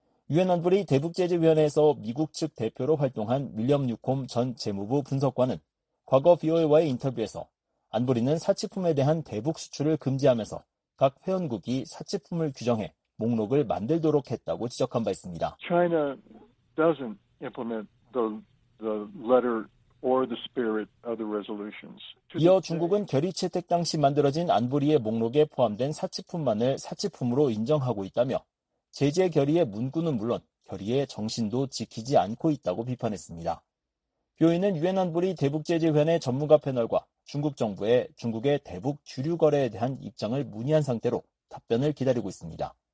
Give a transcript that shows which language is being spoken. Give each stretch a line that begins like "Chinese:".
Korean: 유엔 안보리 대북제재위원회에서 미국 측 대표로 활동한 윌리엄 뉴콤 전 재무부 분석관은 과거 BOA와의 인터뷰에서 안보리는 사치품에 대한 대북 수출을 금지하면서 각 회원국이 사치품을 규정해 목록을 만들도록 했다고 지적한 바 있습니다.
English: China doesn't implement the letter or the spirit of the resolutions.
Korean: 이어 중국은 결의 채택 당시 만들어진 안보리의 목록에 포함된 사치품만을 사치품으로 인정하고 있다며 제재 결의의 문구는 물론 결의의 정신도 지키지 않고 있다고 비판했습니다. 뷰이는 유엔 안보리 대북제재위원회 전문가 패널과 중국 정부에 중국의 대북 주류 거래에 대한 입장을 문의한 상태로 답변을 기다리고 있습니다.